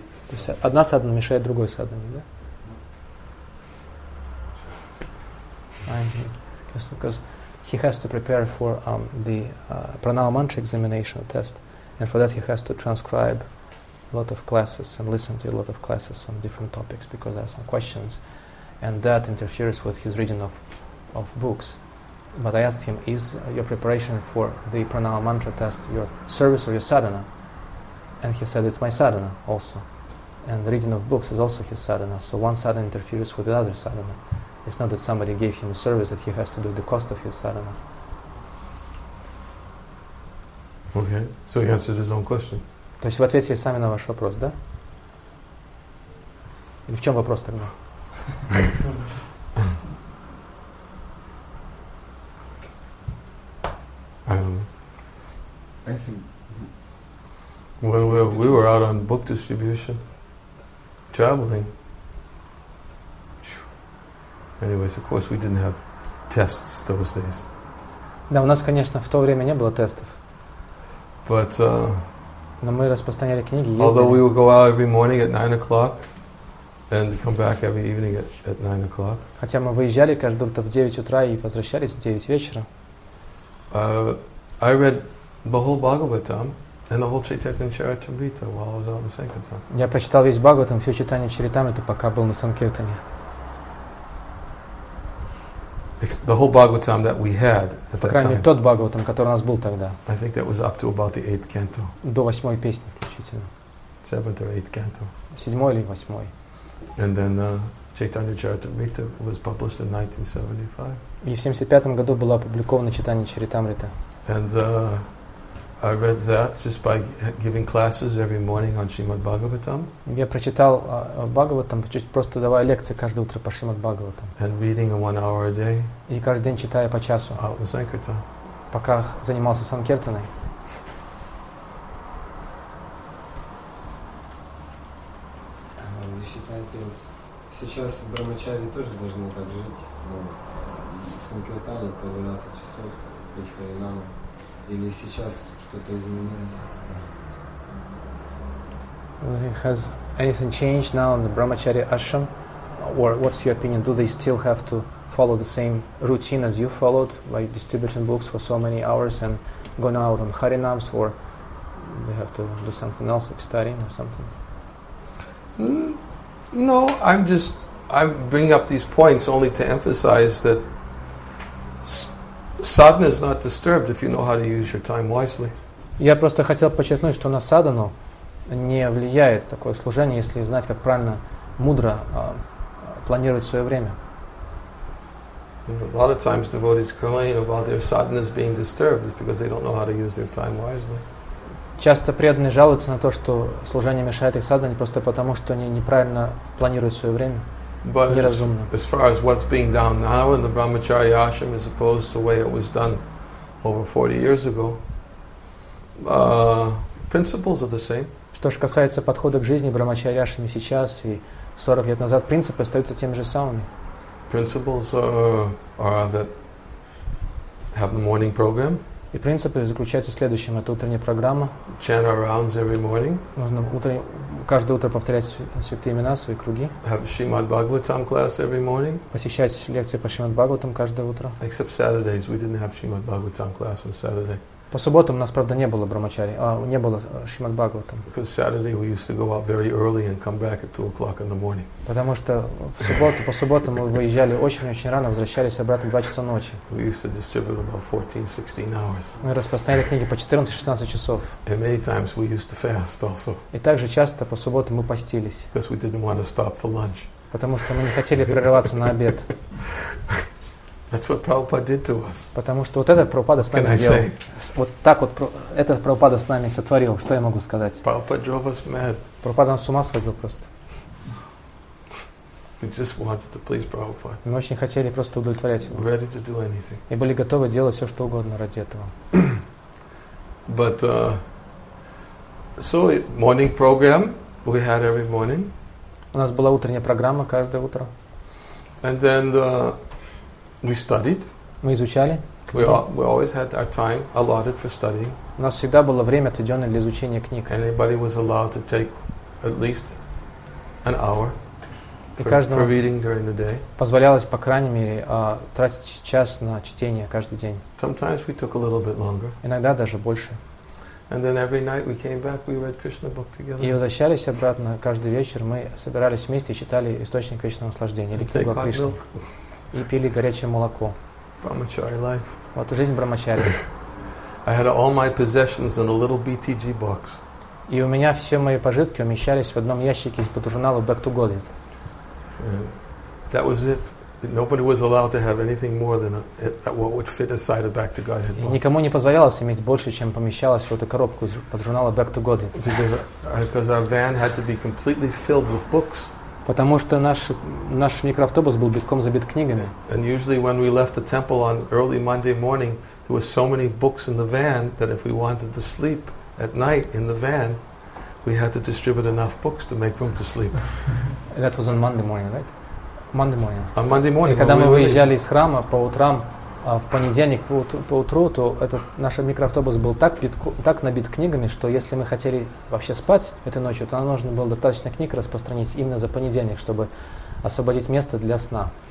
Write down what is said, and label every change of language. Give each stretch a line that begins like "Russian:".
Russian: То есть одна садхана мешает другой садхане, да?
English: Just because he has to prepare for the pranama mantra examination test, and for that he has to transcribe a lot of classes and listen to a lot of classes on different topics because there are some questions, and that interferes with his reading of books. But I asked him, is your preparation for the pranama mantra test your service or your sadhana? And he said, it's my sadhana also. And the reading of books is also his sadhana. So one sadhana interferes with the other sadhana. It's not that somebody gave him a service that he has to do at the cost of his sadhana. Okay, so he answered his own question.
Russian: То есть вы ответили сами на ваш вопрос, да? Или в чем вопрос тогда?
English: When we were out on book distribution, traveling. Anyways, of course, we didn't have tests those days.
Russian: Да, у нас, конечно, в то время не было тестов.
English: But.
Russian: Но мы распространяли книги.
English: Although we would go out every morning at 9 o'clock, and come back every evening at 9 o'clock.
Russian: Хотя мы выезжали каждое утро в 9 утра и возвращались в 9 вечера.
English: I read the whole Bhagavatam and the whole Chaitanya Charitamrita while I was out in Sankirtan.
Russian: Я прочитал весь Бхагаватам, все читание Чаритамриты, пока был на Санкиртане.
English: The whole Bhagavatam that we had at that time.
Russian: Тот Бхагаватам, который у нас был тогда.
English: I think that was up to about the 8th canto.
Russian: До 8-й песни включительно.
English: 7th or 8th canto.
Russian: 7-й или 8-й.
English: And then Chaitanya Charitamrita was published in 1975.
Russian: И в 75-м году было опубликовано Чайтанья Чаритамрита.
English: And I read that just by giving classes every morning on Srimad Bhagavatam.
Russian: Я прочитал Бхагаватам, просто давая лекции каждое утро по Шримад Бхагаватам.
English: And reading 1 hour a day.
Russian: И каждый день читая по часу.
English: Out in Sankirtan.
Russian: Пока занимался Санкиртаной. Вы считаете, сейчас брамачари тоже должны так жить? Но Санкиртане по 12 часов, петь харинаму. Или сейчас что-то изменилось?
English: Has anything changed now in the Brahmachari ashram? Or what's your opinion? Do they still have to follow the same routine as you followed, like distributing books for so many hours and going out on harinams, or they have to do something else, like studying or something? No, I'm bringing up these points only to emphasize that sadhana is not disturbed if you know how to use your time wisely.
Russian: Я просто хотел подчеркнуть, что на садхану не влияет такое служение, если знать, как правильно, мудро планировать свое время.
English: A lot of times devotees complain about their sadhana being disturbed because they don't know how to use their time wisely.
Russian: Часто преданные жалуются на то, что служение мешает их садхане просто потому, что они неправильно планируют свое время,
English: but
Russian: неразумно.
English: As far as what's being done now in the Brahmachari ashram as opposed to the way it was done over 40 years ago, principles are the same.
Russian: Что же касается подхода к жизни Брахмачари ашрама сейчас и 40 лет назад, принципы остаются теми же самыми.
English: Principles are that have the morning program.
Russian: И принципы заключаются в следующем. Это утренняя программа.
English: Chant our rounds every morning.
Russian: Нужно каждое утро повторять святые имена, свои круги.
English: Have Srimad Bhagavatam class every morning.
Russian: Посещать лекции по Шримад Бхагаватам каждое утро.
English: Except Saturdays. We didn't have Srimad Bhagavatam class on Saturday.
Russian: По субботам у нас, правда, не было брамачари, не было Шримад Бхагаватам.
English: Because Saturday we used to go out very early and come back at 2 o'clock in the morning.
Russian: Потому что по субботам мы выезжали очень-очень рано, возвращались обратно в 2 часа ночи.
English: We used to distribute about 14-16 hours.
Russian: Мы распространяли книги по 14-16 часов.
English: And many times we used to fast also.
Russian: И также часто по субботам мы постились.
English: Because we didn't want to stop for lunch.
Russian: Потому что мы не хотели прерываться на обед.
English: That's what Prabhupada did to us.
Russian: Потому что вот это Прабхупада с нами делал. Вот так вот этот Прабхупада с нами сотворил. Что я могу сказать?
English: Prabhupada drove us mad.
Russian: Прабхупада нас с ума сводил просто.
English: We just wanted to please Prabhupada.
Russian: Мы очень хотели просто удовлетворять его.
English: Ready to do anything.
Russian: И были готовы делать все, что угодно ради этого.
English: But so morning program we had every morning.
Russian: У нас была утренняя программа каждое утро.
English: And then we studied.
Russian: Мы изучали.
English: We always had our time allotted for studying.
Russian: У нас всегда было время, отведенное для изучения книг.
English: Anybody was allowed to take at least an hour for reading during the day.
Russian: Позволялось, по крайней мере, тратить час на чтение каждый день.
English: Sometimes we took a little bit longer.
Russian: Иногда даже больше.
English: And then every night we came back, we read Krishna book together.
Russian: И возвращались обратно каждый вечер, мы собирались вместе и читали источник вечного наслаждения, или книгу о Кришне. И пили горячее молоко.
English: Brahmachari life.
Russian: Вот и жизнь брахмачари.
English: I had all my possessions in a little BTG box.
Russian: И у меня все мои пожитки умещались в одном ящике из-под журнала Back to Goliath.
English: That was it. Nobody was allowed to have anything more than what would fit inside a Back to Godhead box.
Russian: И никому не позволялось иметь больше, чем помещалось в эту коробку из-под журнала Back to Godhead.
English: Because our van had to be completely filled with books.
Russian: Потому что наш микроавтобус был битком забит книгами.
English: And usually when we left the temple on early Monday morning, there were so many books in the van that if we wanted to sleep at night in the van, we had to distribute enough books to make room to sleep. That was on Monday morning, right? Monday morning. On Monday morning.
Russian: Когда мы выезжали из храма по утрам в понедельник по утру, то этот наш микроавтобус был так набит книгами, что если мы хотели вообще спать этой ночью, то нам нужно было достаточно книг распространить именно за понедельник, чтобы освободить место для сна.